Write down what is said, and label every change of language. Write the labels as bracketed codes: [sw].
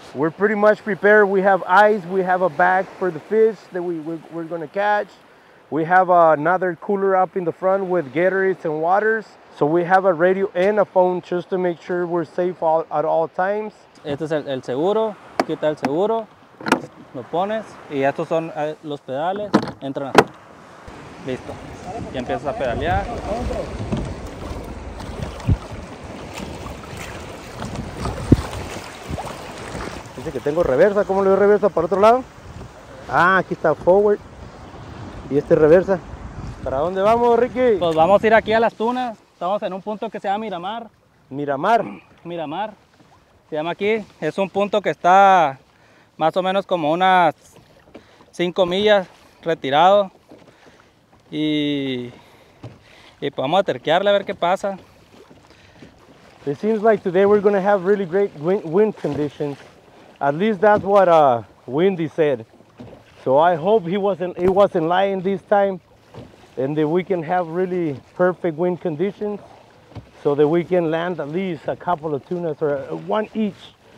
[en] We're pretty much prepared. We have eyes, we have a bag for the fish that we're gonna catch. We have another cooler up in the front with Gatorades and waters. So we have a radio and a phone just to make sure we're safe at all times. [es] Este es el seguro, quita el seguro. Lo pones y estos son los pedales, entran así. Listo. Y empiezas a pedalear. Dice que tengo reversa, ¿cómo le doy reversa para otro lado? Ah, aquí está forward. Y este reversa. ¿Para dónde vamos, Ricky? Pues vamos a ir aquí a las tunas. Estamos en un punto que se llama Miramar. Miramar. Miramar. Se llama aquí. Es un punto que está más o menos como unas 5 millas retirado. Y vamos a terquearle a ver qué pasa. [en] It seems like today we're going to have really great wind conditions. At least that's what Windy said. So I hope he wasn't lying this time, and that we can have really perfect wind conditions so that we can land at least a couple of tunas, or one each.